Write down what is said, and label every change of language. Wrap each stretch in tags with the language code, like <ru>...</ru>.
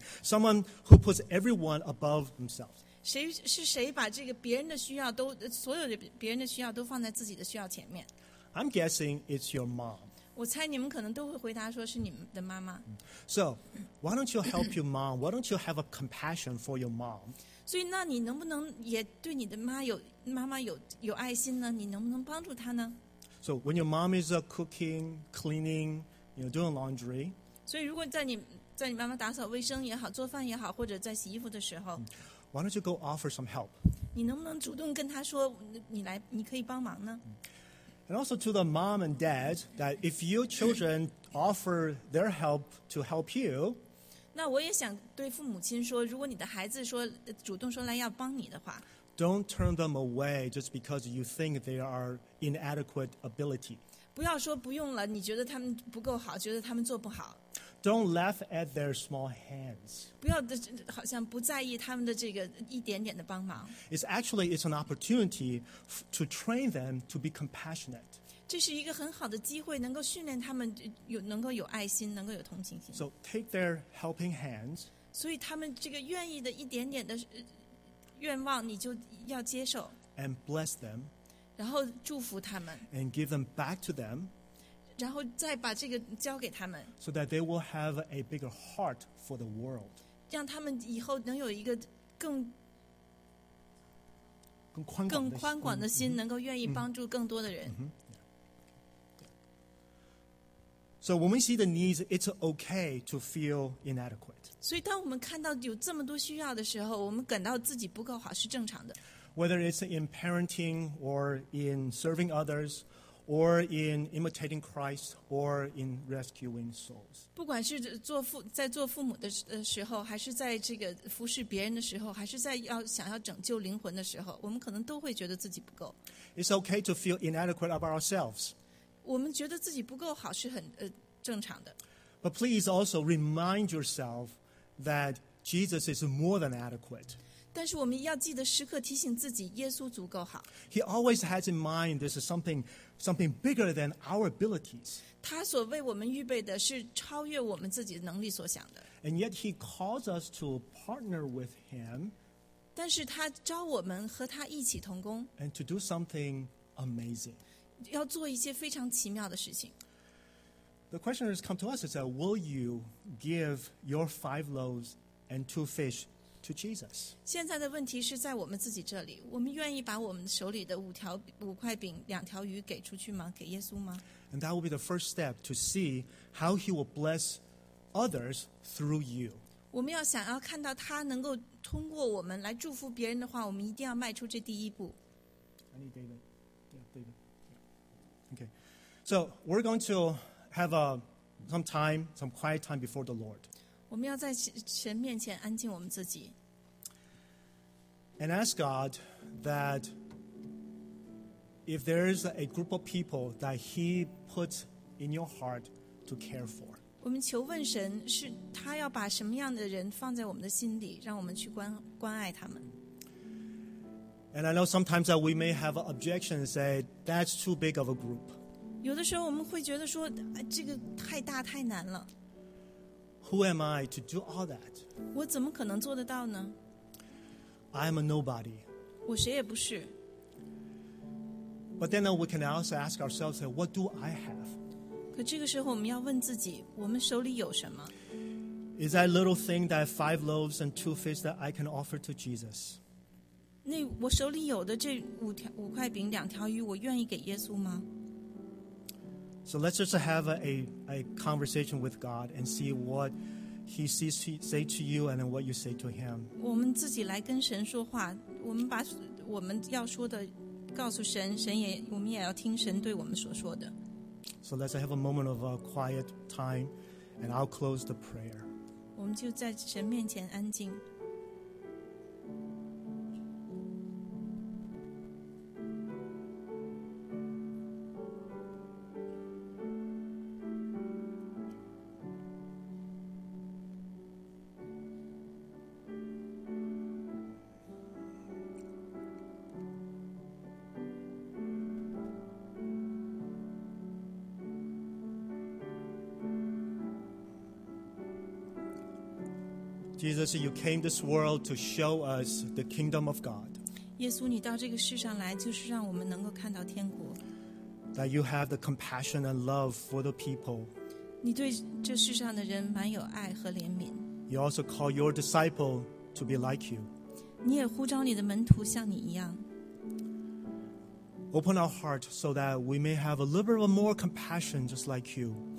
<en>Someone who puts everyone above themselves.</en> <zh>谁把这个别人的需要都所有的别人的需要都放在自己的需要前面。</zh> <en>I'm guessing it's your mom.</en> <zh>我猜你们可能都会回答说是你们的妈妈。</zh> <en>So, why don't you help your mom? Why don't you have a compassion for your mom?</en> <zh>所以那你能不能也对你的妈妈有爱心呢？你能不能帮助她呢？</zh> <en>So when your mom is cooking, cleaning, doing laundry.</en> <zh>所以如果在你妈妈打扫卫生也好，做饭也好，或者在洗衣服的时候</zh> <en>，Why don't you go offer some help?</en> <zh>你能不能主动跟她说，你可以帮忙呢</zh> <en>？And also to the mom and dad that if your children offer their help to help you.</en> <zh>那我也想对父母亲说，如果你的孩子说主动说来要帮你的话。</zh> <en>Don't turn them away just because you think they are inadequate ability.</en> <zh>不要说不用了，你觉得他们不够好，觉得他们做不好。</zh> <en>Don't laugh at their small hands.</en> <zh>不要好像不在意他们的这个一点点的帮忙。</zh> <en>It's an opportunity to train them to be compassionate.</en> <zh>这是一个很好的机会，能够训练他们能够有爱心，能够有同情心。</zh> <en>So take their helping hands.</en> <zh>所以他们这个愿意的一点点的。愿望你就要接受</zh> <en>and bless them,</en> <zh>然后祝福他们</zh> <en>and give them back to them,</en> <zh>然后再把这个交给他们</zh> <en>so that they will have a bigger heart for the world,</en> <zh>让他们以后能有一个更宽广的心能够愿意帮助更多的人。</zh> <en>So when we see the needs, it's okay to feel inadequate.</en> <zh>所以当我们看到有这么多需要的时候，我们感到自己不够好是正常的。</zh> <en>Whether it's in parenting or in serving others or in imitating Christ or in rescuing souls.</en> <zh>不管是在做父母的时候，还是在这个服侍别人的时候，还是在要想要拯救灵魂的时候，我们可能都会觉得自己不够。</zh> <en>It's okay to feel inadequate about ourselves.</en> <zh>我们觉得自己不够好是很正常的。</zh> <en>But please also remind yourself that Jesus is more than adequate.</en> <zh>但是我们要记得时刻提醒自己，耶稣足够好。</zh> <en>He always has in mind this is something bigger than our abilities.</en> <zh>他所为我们预备的是超越我们自己能力所想的。</zh> <en>And yet he calls us to partner with him.</en> <zh>但是他召我们和他一起同工。</zh> <en>And to do something amazing.</en> <zh>要做一些非常奇妙的事情。</zh> <en>The question has come to us: Is that will you give your 5 loaves and 2 fish? To Jesus.</en> <zh>现在的问题是在我们自己这里，我们愿意把我们手里的5块饼、2条鱼给出去吗？给耶稣吗？</zh> <en>And that will be the first step to see how he will bless others through you.</en> <zh>我们要想要看到他能够通过我们来祝福别人的话，我们一定要迈出这第一步。</zh> <en>I need David. Yeah, David. Yeah. Okay. So we're going to have some quiet time before the Lord.</en> <zh>我们要在神面前安静我们自己。</zh> <en>And ask God that if there is a group of people that he puts in your heart to care for.</en> <zh>我们求问神是他要把什么样的人放在我们的心里让我们去关爱他们。</zh> <en>And I know sometimes that we may have an objection and say, that's too big of a group.</en> <zh>有的时候我们会觉得说这个太大太难了。</zh> <en>Who am I to do all that?</en> <zh>我怎么可能做得到呢?</zh> <en>I am a nobody.</en> <zh>我谁也不是。</zh> <en>But then we can also ask ourselves, what do I have?</en> <zh>可这个时候我们要问自己，我们手里有什么?</zh> <en>Is that little thing that 5 loaves and 2 fish that I can offer to Jesus?</en> <zh>那我手里有的这五块饼、2条鱼，我愿意给耶稣吗？</zh> <en>So let's just have a conversation with God and see what he sees to say to you and then what you say to him.</en> <zh>我们自己来跟神说话，我们把我们要说的告诉神，我们也要听神对我们所说的。</zh> <en>So let's have a moment of a quiet time and I'll close the prayer.</en> <zh>我们就在神面前安静。</zh> <en>Jesus, you came this world to show us the kingdom of God.</en> <zh>耶稣，你到这个世上来，就是让我们能够看到天国。</zh> <en>That you have the compassion and love for the people.</en> <zh>你对这世上的人满有爱和怜悯。</zh> <en>You also call your disciple to be like you.</en> <zh>你也呼召你的门徒像你一样。</zh> <en>Open our heart so that we may have a little bit more compassion just like you.</en>